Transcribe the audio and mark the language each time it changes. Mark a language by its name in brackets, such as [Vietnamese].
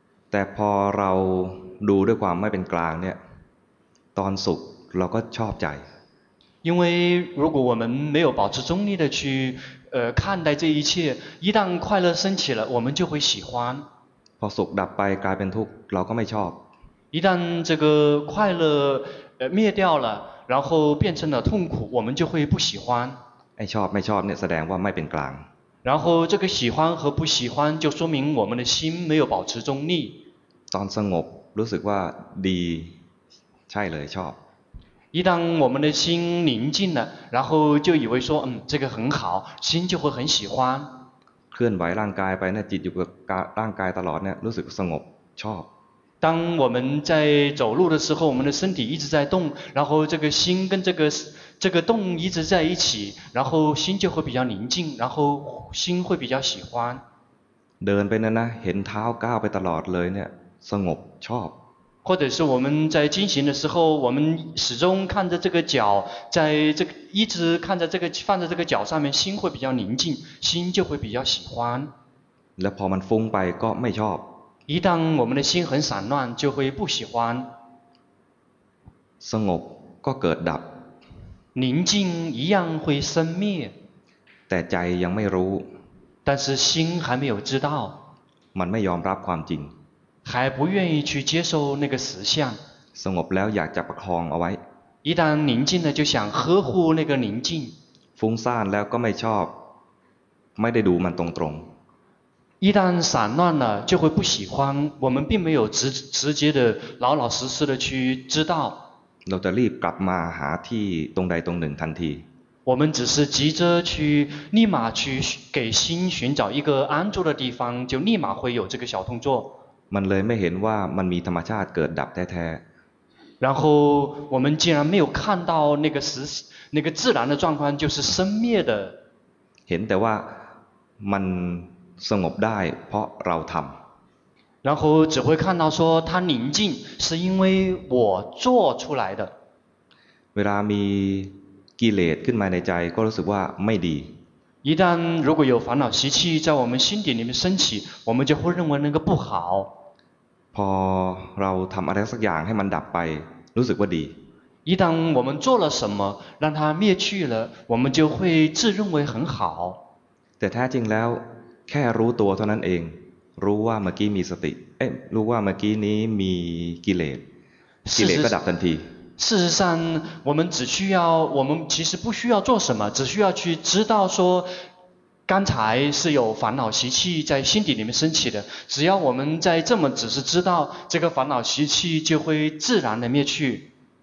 [Thai] แต่พอเราดูด้วยความไม่เป็นกลางเนี่ยตอนสุขเราก็ชอบใจ [Chinese] 因为如果我们没有保持中立的去看待这一切一旦快乐升起了我们就会喜欢 [Thai] พอสุขดับไปกลายเป็นทุกข์เราก็ไม่ชอบ [Chinese] 一旦这个快乐灭掉了然后变成了痛苦我们就会不喜欢 [Thai] ไอ้ชอบไม่ชอบเนี่ยแสดงว่าไม่เป็นกลาง [Chinese] 然后这个喜欢和不喜欢就说明我们的心没有保持中立 [Thai] ตอนสงบรู้สึกว่าดีใช่เลยชอบ [Chinese] 一旦我们的心宁静了然后就以为说嗯这个很好心就会很喜欢 [Thai] เคลื่อนไหวร่างกายไปเนี่ยจิตอยู่กับร่างกายตลอดเนี่ยรู้สึกสงบชอบ [Chinese] 当我们在走路的时候我们的身体一直在动然后这个心跟这个动一直在一起然后心就会比较宁静然后心会比较喜欢 [Thai] เดินไปนะเห็นเท้าก้าวไปตลอดเลยเนี่ยสงบชอบ [Chinese] 或者是我们在进行的时候我们始终看着这个脚在这个一直看着这个放在这个脚上面心会比较宁静心就会比较喜欢 [Thai] แล้วพอมันฟุ้งไปก็ไม่ชอบ [Chinese] 一旦我们的心很散乱就会不喜欢 [Thai] สงบก็เกิดดับ [Chinese] 宁静一样会生灭 [Thai] แต่ใจยังไม่รู้ [Chinese] 但是心还没有知道 [Thai] มันไม่ยอมรับความจริง [Chinese] 还不愿意去接受那个实相 [Thai] สงบแล้วอยากจะประคองเอาไว้ [Chinese] 一旦宁静了就想呵护那个宁静 [Thai] ฟุ้งซ่านแล้วก็ไม่ชอบไม่ได้ดูมันตรง [Chinese] ๆ一旦散乱了就会不喜欢我们并没有直接的老老实实的去知道 [Thai] เราจะรีบกลับมาหาที่ตรงใดตรงหนึ่งทันที [Chinese] 我们只是急着去立马去给心寻找一个安住的地方就立马会有这个小动作 [Thai] มันเลยไม่เห็นว่ามันมีธรรมชาติเกิดดับแท้ [Chinese] ๆ然后我们竟然没有看到那个自然的状况就是生灭的 [Thai] เห็นแต่ว่ามันสงบได้เพราะเราทำ [Chinese] 然后只会看到说它宁静是因为我做出来的 [Thai] เวลามีกิเลสขึ้นมาในใจก็รู้สึกว่าไม่ดี [Chinese] 一旦如果有烦恼习气在我们心底里面升起我们就会认为那个不好 [Thai] พอเราทำอะไรสักอย่างให้มันดับไปรู้สึกว่าดี [Chinese] 一旦我们做了什么让它灭去了我们就会自认为很好 [Thai] แต่แท้จริงแล้วแค่รู้ตัวเท่านั้นเองรู้ว่าเมื่อกี้มีสติเอ๊ะรู้ว่าเมื่อกี้นี้มีกิเลสกิเลสก็ดับทันที [Chinese] 事实上我们其实不需要做什么只需要去知道说刚才是有烦恼习气在心底里面升起的只要我们在这么只是知道这个烦恼习气就会自然的灭去